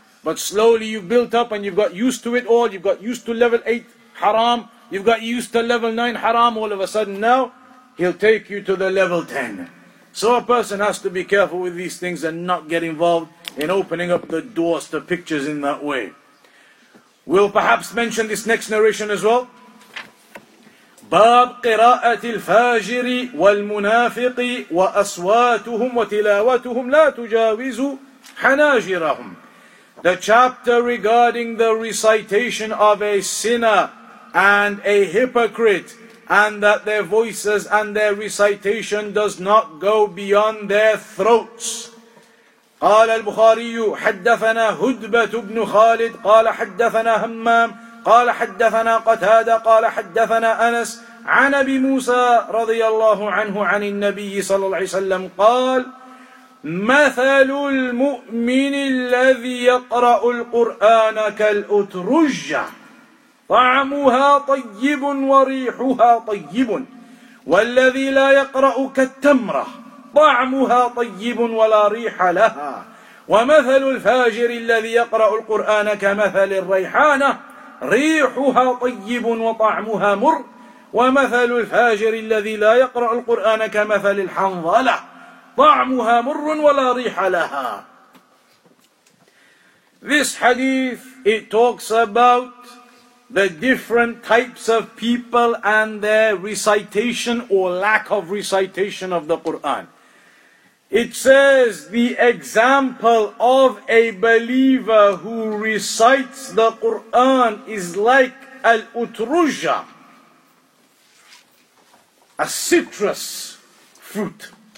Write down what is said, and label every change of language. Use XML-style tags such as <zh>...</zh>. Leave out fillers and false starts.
<en>But slowly you built up and you've got used to it all, you've got used to level 8, haram, you've got used to level 9, haram, all of a sudden now, he'll take you to the level 10. So a person has to be careful with these things and not get involved in opening up the doors to pictures in that way. We'll perhaps mention this next narration as well.</en> <ar>باب قراءة الفاجر والمنافق وأصواتهم وتلاوتهم لا تجاوز حناجرهم.</ar> <en>The chapter regarding the recitation of a sinner and a hypocrite, and that their voices and their recitation does not go beyond their throats.</en> <ar>قال البخاري حدثنا هدبة بن خالد قال حدثنا همام قال حدثنا قتادة قال حدثنا أنس عن أبي موسى رضي الله عنه عن النبي صلى الله عليه وسلم قال مثل المؤمن الذي يقرأ القرآن كالأترجة طعمها طيب وريحها طيب والذي لا يقرأ كالتمرة طعمها طيب ولا ريح لها ومثل الفاجر الذي يقرأ القرآن كمثل الريحانة ريحها طيب وطعمها مر ومثل الفاجر الذي لا يقرأ القرآن كمثل الحنظلة طعمها مر ولا ريح لها.</ar> <en>This hadith, it talks about the different types of people and their recitation or lack of recitation of the Quran. It says the example of a believer who recites the Quran is like al-utruja, a citrus fruit.</en>